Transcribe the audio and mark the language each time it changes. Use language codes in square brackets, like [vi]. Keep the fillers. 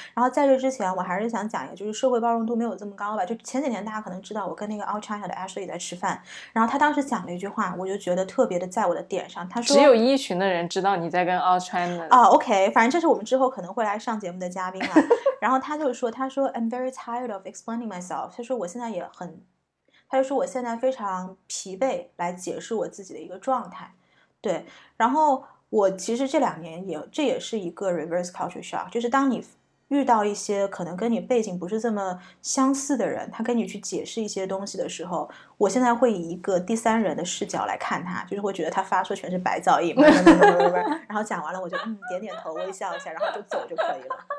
[zh] 然后在这之前，我还是想讲一个，就是社会包容度没有这么高吧。就前几年大家可能知道，我跟那个 All China 的 Ashley 在吃饭，然后他当时讲了一句话，我就觉得特别的在我的点上。他说，只有一群的人知道你在跟 All China。啊、 uh,，OK，反正这是我们之后可能会来上节目的嘉宾了。然后他就说，他说 [en] I'm very tired of explaining myself。 [zh] 他说我现在也很。他就说我现在非常疲惫，来解释我自己的一个状态，对。然后我其实这两年也这也是一个 [en] reverse culture shock， [zh] 就是当你遇到一些可能跟你背景不是这么相似的人，他跟你去解释一些东西的时候，我现在会以一个第三人的视角来看他，就是会觉得他发出全是白噪音， 然后讲完了我就嗯点点头微笑一下，然后就走就可以了。